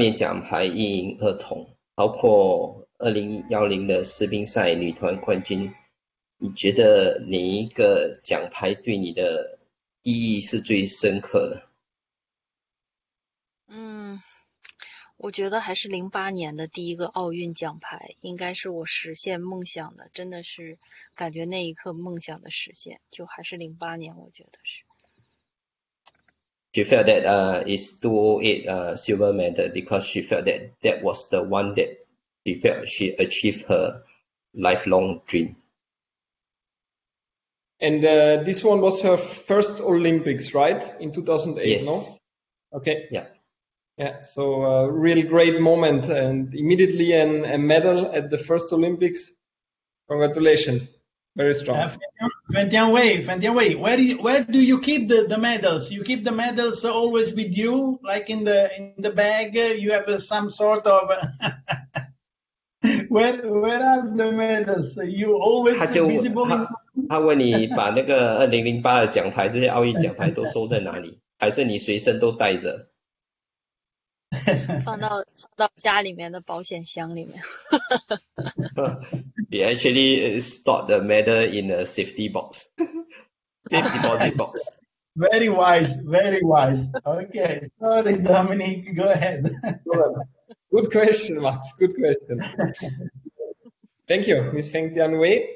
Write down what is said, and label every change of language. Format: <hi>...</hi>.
<zh>就是你在奥运会赢得的三面奖牌一银二铜，包括2010的世乒赛女团冠军，你觉得哪一个奖牌对你的意义是最深刻的？我觉得还是08年的第一个奥运奖牌，应该是我实现梦想的，真的是感觉那一刻梦想的实现，就还是08年，我觉得是。</zh> <en>She felt that it's 2008 silver medal because she felt that that was the one that she felt she achieved her lifelong dream. And this one was her first Olympics, right? In 2008, yes. No? Okay. Yeah. Yeah, so a real great moment, and immediately a medal at the first Olympics. Congratulations. Very strong. Feng Tianwei, where do you keep the medals? You keep the medals always with you, like in the bag? You have some sort of... where are the medals? You always</en> <zh>他就,</zh> <en>visible</en> <zh>他问你把那个2008的奖牌, 这些奥运奖牌都收在哪里? 还是你随身都带着? 放到家里面的保险箱里面。</zh> <en>We actually stored the medal in a safety box. Safety deposit box. Very wise, very wise. Okay, sorry, Dominic, go ahead. Good question, Max. Good question. Thank you, Ms. Feng Tianwei.</en>